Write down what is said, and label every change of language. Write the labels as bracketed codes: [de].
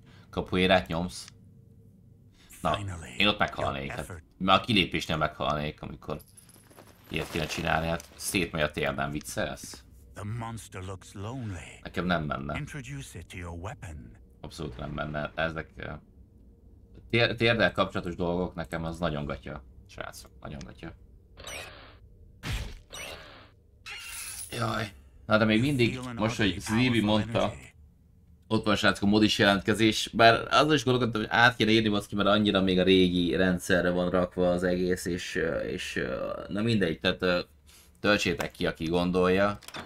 [hu] Kapuérát nyomsz? Na, én ott meghalnék. Hát, mert a kilépésnél meghalnék, amikor ilyet kéne csinálni. Hát szétmegy a térdem, viccelsz? [en] The monster looks lonely. [hu] Nekem nem menne. [en] Introduce it to your weapon. [hu] Abszolút nem menne. Ezek térdel kapcsolatos dolgok nekem az nagyon gatya. Srácok, nagyon gatya. Jaj. Na de még mindig, most hogy Zibi mondta, ott van srácok a mod is jelentkezés, bár azon is gondolkodtam, hogy át kéne írni azt ki, mert annyira még a régi rendszerre van rakva az egész, és na mindegy, tehát töltsétek ki, aki gondolja.